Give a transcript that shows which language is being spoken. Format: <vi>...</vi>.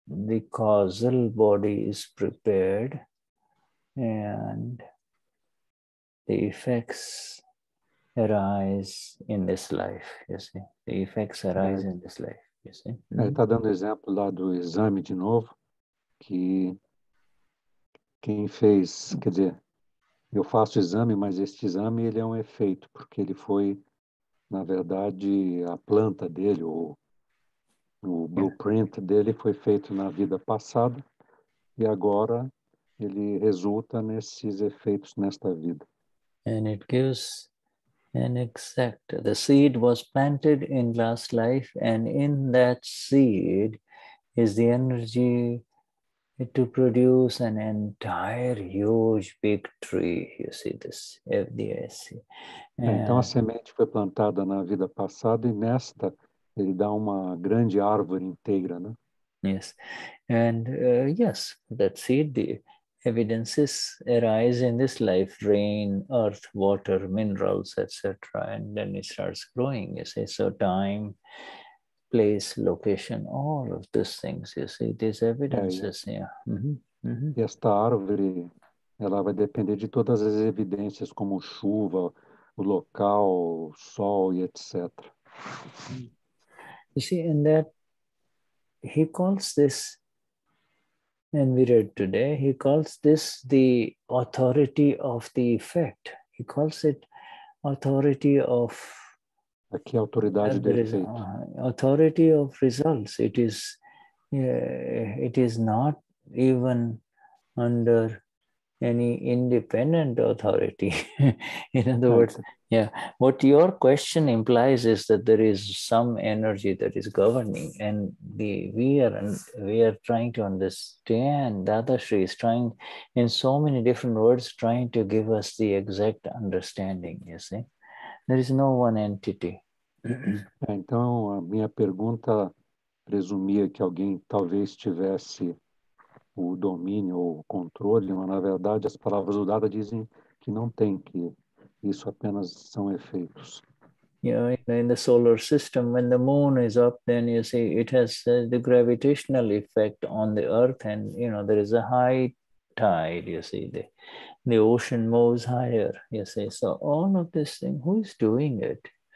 <en>The causal body is prepared, and the effects arise in this life. You see, the effects arise in this life. You see.</en> <pt>Ele está dando exemplo lá do exame de novo, que quem fez, quer dizer. Eu faço exame, mas este exame ele é um efeito, porque ele foi, na verdade, a planta dele, o blueprint dele foi feito na vida passada, e agora ele resulta nesses efeitos nesta vida.</pt> <en>And it gives an exact. The seed was planted in last life, and in that seed is the energy to produce an entire huge big tree, you see this, FDS.</en> <pt>Então a semente foi plantada na vida passada e nesta ele dá uma grande árvore inteira, né?</pt> <en>Yes, and yes, that seed, the evidences arise in this life, rain, earth, water, minerals, etc. And then it starts growing, you see, so time, place, location, all of these things, you see, these evidences, yeah. E esta árvore, ela vai depender de todas as evidências, como chuva, o local, sol, e etc. You see, and that he calls this, and we read today, he calls this the authority of the effect. He calls it authority of</en> <pt>aqui, autoridade de efeito.</pt> <en>Authority of results. It is not even under any independent authority. In other words, yeah, what your question implies is that there is some energy that is governing, and we are trying to understand. Dadashri is trying, in so many different words, trying to give us the exact understanding. You see, there is no one entity.</en> <pt>Então, a minha pergunta presumia que alguém talvez tivesse o domínio ou o controle, mas na verdade as palavras do Dada dizem que não tem, que isso apenas são efeitos.</pt> <en>Yeah, in the solar system, when the moon is up, then you see it has the gravitational effect on the earth, and you know there is a high tide, you see, the ocean moves higher, you see. So all of this thing, who is doing it?</en>